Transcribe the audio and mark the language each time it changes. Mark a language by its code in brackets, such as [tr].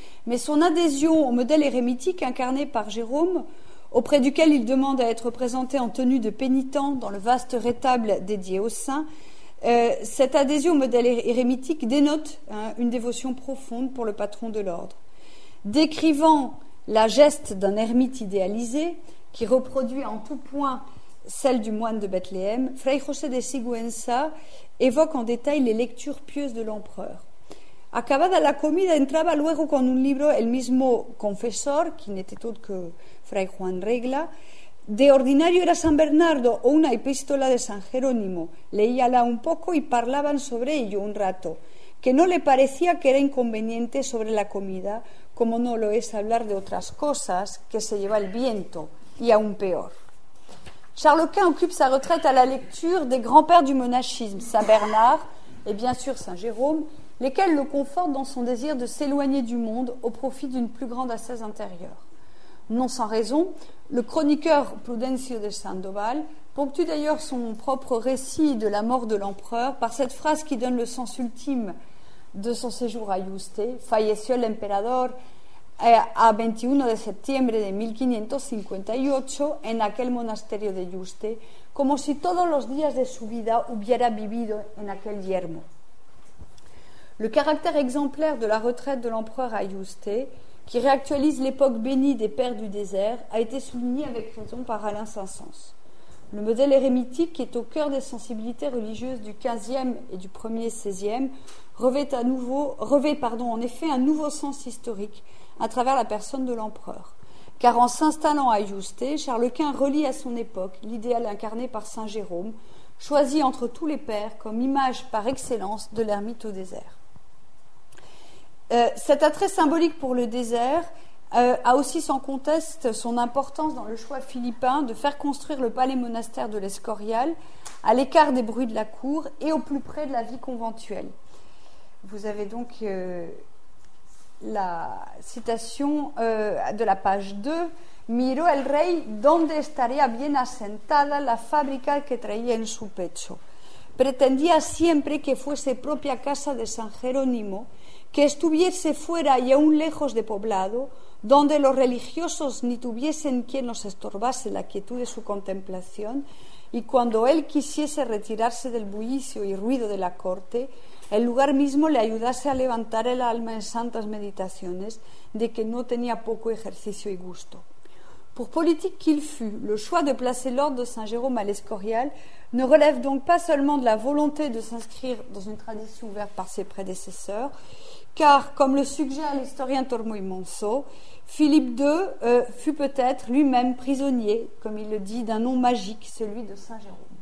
[fr] Mais son adhésion au modèle érémitique incarné par Jérôme, auprès duquel il demande à être présenté en tenue de pénitent dans le vaste rétable dédié aux saints, cette adhésion au modèle érémitique dénote, hein, une dévotion profonde pour le patron de l'ordre. Décrivant la geste d'un ermite idéalisé qui reproduit en tout point celle du moine de Bethléem, Fray José de Sigüenza évoque en détail les lectures pieuses de l'empereur. [es] Acabada la comida, entraba luego con un libro el mismo confesor, [fr] qui n'était autre que [es] Fray Juan Regla. De ordinario era San Bernardo o una epístola de San Jerónimo. Leíala un poco y parlaban sobre ello un rato, que no le parecía que era inconveniente sobre la comida, como no lo es hablar de otras cosas que se lleva el viento, y aún peor. [fr] Charles Quint occupe sa retraite à la lecture des grands-pères du monachisme, Saint Bernard et bien sûr Saint Jérôme, lesquels le confortent dans son désir de s'éloigner du monde au profit d'une plus grande ascèse intérieure. Non sans raison, le chroniqueur Prudencio de Sandoval ponctue d'ailleurs son propre récit de la mort de l'empereur par cette phrase qui donne le sens ultime de son séjour à Yuste. [es] Falleció el emperador a 21 de septiembre de 1558 en aquel monasterio de Yuste, como si todos los días de su vida hubiera vivido en aquel yermo. [fr] Le caractère exemplaire de la retraite de l'empereur à Yuste, qui réactualise l'époque bénie des pères du désert, a été souligné avec raison par Alain Saint-Saëns. Le modèle érémitique, qui est au cœur des sensibilités religieuses du XVe et du Ier XVIe, revêt en effet un nouveau sens historique à travers la personne de l'empereur. Car en s'installant à Yuste, Charles Quint relie à son époque l'idéal incarné par Saint Jérôme, choisi entre tous les pères comme image par excellence de l'ermite au désert. Cet attrait symbolique pour le désert a aussi sans conteste son importance dans le choix philippin de faire construire le palais monastère de l'Escorial à l'écart des bruits de la cour et au plus près de la vie conventuelle. Vous avez donc la citation de la page 2. [es] Miró el rey donde estaría bien asentada la fábrica que traía en su pecho. Pretendía siempre que fuese propia casa de San Jerónimo, que estuviese fuera y aún lejos de poblado, donde los religiosos ni tuviesen quien nos estorbase la quietud de su contemplación, y cuando él quisiese retirarse del bullicio y ruido de la corte, el lugar mismo le ayudase a levantar el alma en santas meditaciones, de que no tenía poco ejercicio y gusto. [fr] Pour politique qu'il fût, le choix de placer l'ordre de Saint-Jérôme à l'Escorial ne relève donc pas seulement de la volonté de s'inscrire dans une tradition ouverte par ses prédécesseurs, car, comme le suggère l'historien Tormo y Monzó, Philippe II fut peut-être lui-même prisonnier, comme il le dit, d'un nom magique, celui de Saint-Jérôme.